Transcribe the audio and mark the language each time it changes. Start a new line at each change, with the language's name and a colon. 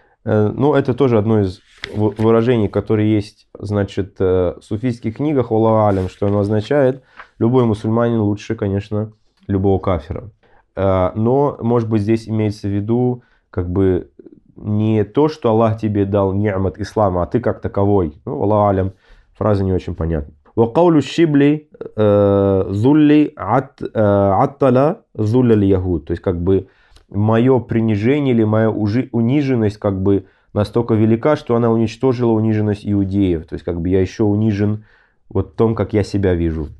Russian: Ну, это тоже одно из выражений, которое есть, значит, в суфийских книгах,
Arabic: валлаху алям,
Russian: что оно означает. Любой мусульманин лучше, конечно, любого кафира. Но, может быть, здесь имеется в виду, как бы, не то, что Аллах тебе дал ни'мат ислама, а ты как таковой. Ну,
Arabic: валлаху алям,
Russian: фраза не очень понятна.
Arabic: وقول الشبلي ذلي عطل ذل اليهود.
Russian: То есть, как бы, мое принижение или моя униженность, как бы, настолько велика, что она уничтожила униженность иудеев. То есть, как бы, я еще унижен вот в том, как я себя вижу.